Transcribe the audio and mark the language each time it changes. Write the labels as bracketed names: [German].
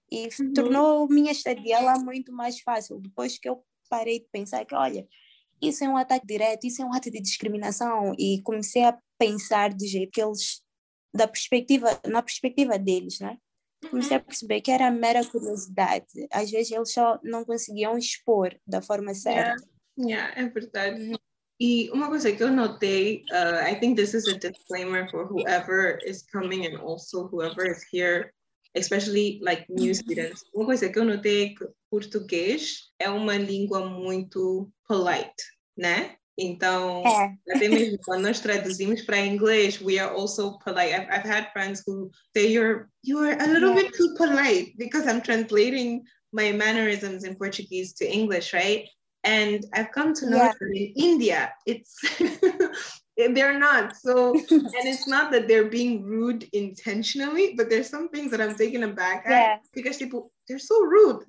[Portuguese] E tornou minha estadia lá muito mais fácil. Depois que eu parei de pensar que, olha, isso é um ataque direto, isso é um ato de discriminação. E comecei a pensar do jeito que eles... na perspectiva deles, né? Comecei a perceber que era mera curiosidade. Às vezes eles só não conseguiam expor da forma certa. É verdade. E uma coisa que eu notei, [English] I think this is a disclaimer for whoever is coming and also whoever is here, especially like new students. [Portuguese] Uma coisa que eu notei é que português é uma língua muito polite, né? Então, até mesmo quando nós traduzimos para inglês, [English] we are also polite. I've had friends who say you're a little bit too polite because I'm translating my mannerisms in Portuguese to English, right? And I've come to know that in India, it's they're not. So, and it's not that they're being rude intentionally, but there's some things that I'm taken aback at because people, they're so rude.